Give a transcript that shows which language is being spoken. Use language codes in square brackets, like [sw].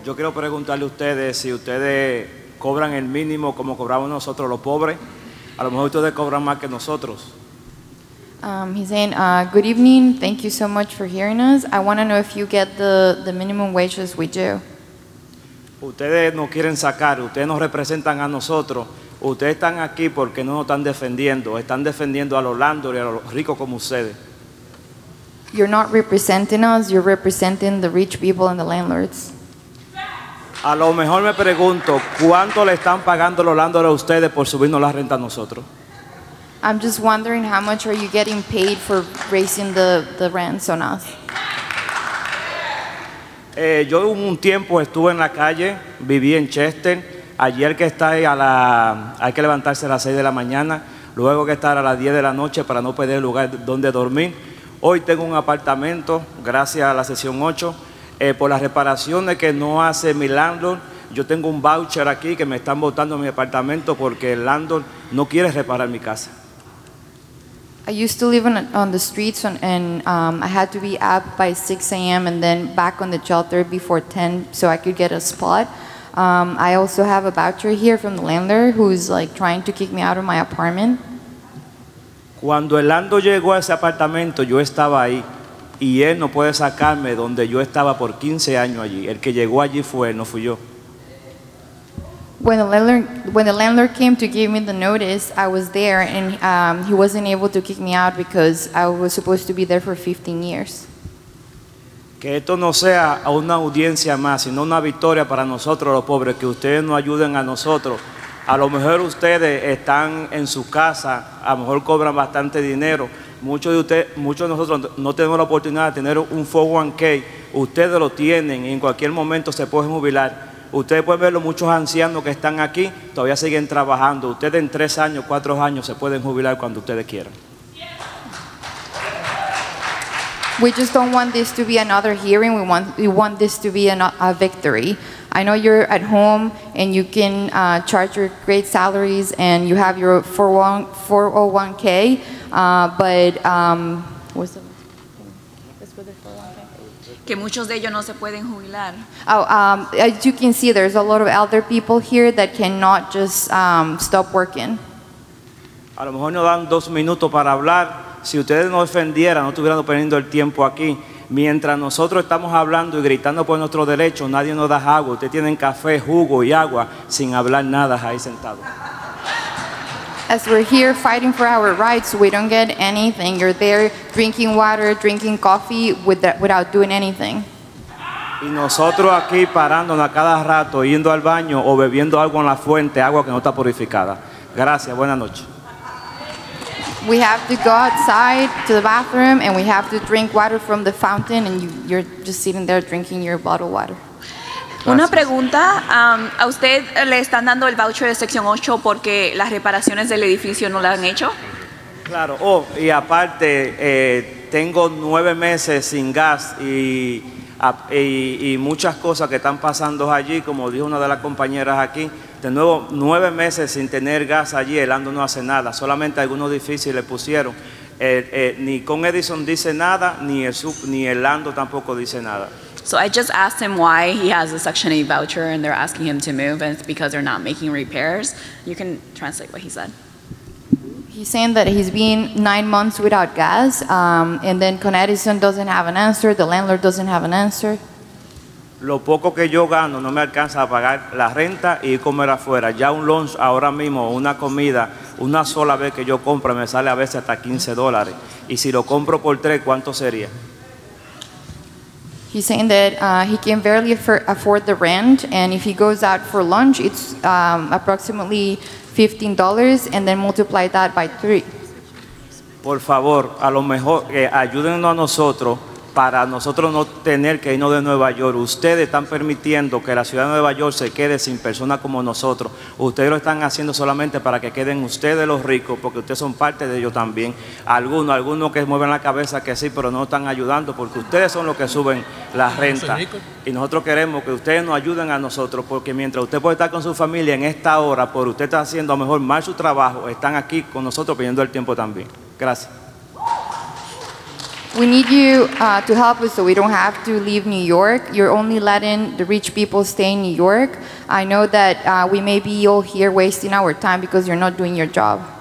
[es] Yo quiero preguntarle a ustedes si ustedes cobran el mínimo como cobramos nosotros los pobres. A lo mejor ustedes cobran más que nosotros. [en] He's saying, good evening. Thank you so much for hearing us. I want to know if you get the minimum wages we do. [es] Ustedes no quieren sacar. Ustedes nos representan a nosotros. Ustedes están aquí porque no nos están defendiendo. Están defendiendo a los landlords y a los ricos como ustedes. [en] You're not representing us, you're representing the rich people and the landlords. [es] A lo mejor me pregunto, ¿cuánto le están pagando los landlords a ustedes por subirnos la renta a nosotros? [en] I'm just wondering how much are you getting paid for raising the rents on us. [es] Yo un tiempo estuve en la calle, viví en Chester. Allí el que está ahí hay que levantarse a las 6 de la mañana, luego hay que estar a las 10 de la noche para no perder el lugar donde dormir. Hoy tengo un apartamento, gracias a la sesión 8, por las reparaciones que no hace mi landlord. Yo tengo un voucher aquí que me están botando mi apartamento porque el landlord no quiere reparar mi casa. [en] I used to live on the streets and I had to be up by 6 a.m. and then back on the shelter before 10 so I could get a spot. I also have a voucher here from the landlord who's like trying to kick me out of my apartment. [es] Cuando el Lando llegó a ese apartamento, yo estaba ahí y él no puede sacarme donde yo estaba por 15 años allí. El que llegó allí fue él, no fui yo. [en] When the landlord came to give me the notice, I was there and he wasn't able to kick me out because I was supposed to be there for 15 years. [es] Que esto no sea una audiencia más, sino una victoria para nosotros los pobres, que ustedes nos ayuden a nosotros. A lo mejor ustedes están en su casa, a lo mejor cobran bastante dinero. Muchos de nosotros no tenemos la oportunidad de tener un 401k. Ustedes lo tienen y en cualquier momento se pueden jubilar. Ustedes pueden ver los muchos ancianos que están aquí, todavía siguen trabajando. Ustedes en 3 años, 4 años se pueden jubilar cuando ustedes quieran. [en] We just don't want this to be another hearing. We want this to be a victory. I know you're at home and you can charge your great salaries and you have your 401k, but what's the [es] que muchos de ellos no se pueden jubilar. [en] As you can see, there's a lot of elder people here that cannot just stop working. [es] A lo mejor nos dan 2 minutos para hablar. Si ustedes no defendieran, no estuvieran perdiendo el tiempo aquí. Mientras nosotros estamos hablando y gritando por nuestros derechos, nadie nos da agua. Ustedes tienen café, jugo y agua sin hablar nada ahí sentado. [en] As we're here fighting for our rights, we don't get anything. You're there drinking water, drinking coffee without doing anything. [es] Y nosotros aquí parándonos a cada rato, yendo al baño o bebiendo algo en la fuente, agua que no está purificada. Gracias, buenas noches. [en] We have to go outside to the bathroom and we have to drink water from the fountain and you're just sitting there drinking your bottled water. [es] Una pregunta, ¿a usted le están dando el voucher de sección 8 porque las reparaciones del edificio no la han hecho? Claro, y aparte tengo 9 meses sin gas y muchas cosas que están pasando allí, como dijo una de las compañeras aquí. De nuevo, 9 meses sin tener gas allí, el Ando no hace nada. Solamente algunos edificios le pusieron. Ni con Edison dice nada, ni el Ando tampoco dice nada. [en] So I just asked him why he has a Section 8 voucher and they're asking him to move, and it's because they're not making repairs. You can translate what he said. He's saying that he's been 9 months without gas, and then Con Edison doesn't have an answer, the landlord doesn't have an answer. [es] Lo poco que yo gano no me alcanza a pagar la renta y comer afuera. Ya un lunch ahora mismo, una comida, una sola vez que yo compro, me sale a veces hasta $15. Y si lo compro por tres, ¿cuánto sería? [en] He's saying that he can barely afford the rent, and if he goes out for lunch, it's approximately $15, and then multiply that by three. [es] Por favor, a lo mejor, ayúdennos a nosotros para nosotros no tener que irnos de Nueva York. Ustedes están permitiendo que la ciudad de Nueva York se quede sin personas como nosotros. Ustedes lo están haciendo solamente para que queden ustedes los ricos, porque ustedes son parte de ellos también. Algunos que mueven la cabeza que sí, pero no están ayudando, porque ustedes son los que suben la renta. Y nosotros queremos que ustedes nos ayuden a nosotros, porque mientras usted puede estar con su familia en esta hora, por usted está haciendo a lo mejor mal su trabajo, están aquí con nosotros pidiendo el tiempo también. Gracias. [en] We need you to help us so we don't have to leave New York. You're only letting the rich people stay in New York. I know that we may be all here wasting our time because you're not doing your job.